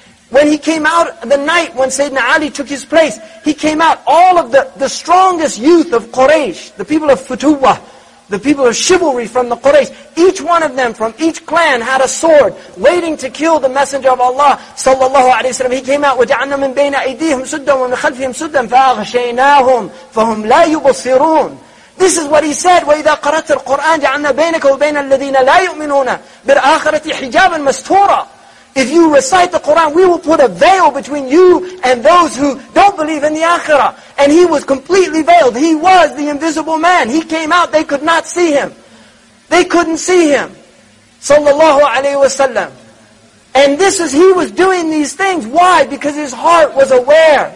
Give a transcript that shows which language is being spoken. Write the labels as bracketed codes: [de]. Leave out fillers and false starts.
[en] When he came out the night when Sayyidina Ali took his place, he came out, all of the strongest youth of Quraysh, the people of Futuwa, the people of chivalry from the Quraysh, each one of them from each clan had a sword waiting to kill the Messenger of Allah sallallahu alaihi wasallam. He came out, [ar] وَجَعَلْنَا مِنْ بَيْنَ أَيْدِيهِمْ سُدًّا وَمِنْ خَلْفِهِمْ سُدًّا فَأَغْشَيْنَاهُمْ فَهُمْ لَا يُبْصِرُونَ. [en] This is what he said, [ar] وَإِذَا قَرَأْتَ الْقُرْآنَ جَعَلْنَا بَيْنَكَ وَبَيْنَ الَّذِينَ لَا يُؤْمِنُونَ بِالْآخِرَةِ حِجَابًا مَسْتُورًا. [en] If you recite the Qur'an, we will put a veil between you and those who don't believe in the Akhirah. And he was completely veiled. He was the invisible man. He came out, they could not see him. They couldn't see him. Sallallahu alayhi wa sallam. And this is, he was doing these things. Why? Because his heart was aware.